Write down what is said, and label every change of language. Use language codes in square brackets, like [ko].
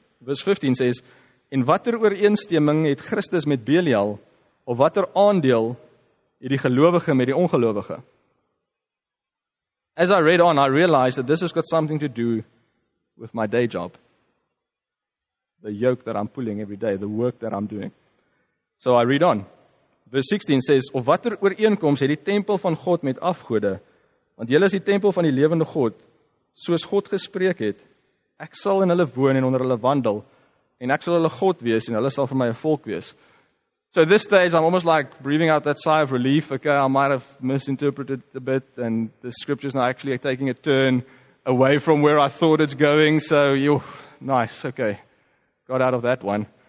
[en] Verse 15 says, [af] in watter ooreenstemming het Christus met Belial, of watter aandeel het die gelowige met die ongelowige? [en] As I read on, I realized that this has got something to do with my day job. The yoke that I'm pulling every day, the work that I'm doing. So I read on. Verse 16 says, [af] of watter ooreenkoms het die tempel van God met afgode, want julle is die tempel van die lewende God, soos God gespreek het, ek sal in hulle woon en onder hulle wandel, en ek sal hulle God wees, en hulle sal vir my 'n volk wees. [en] So this stage, I'm almost like breathing out that sigh of relief, okay, I might have misinterpreted a bit, and the scripture's now actually taking a turn away from where I thought it's going, so you, nice, okay, got out of that one.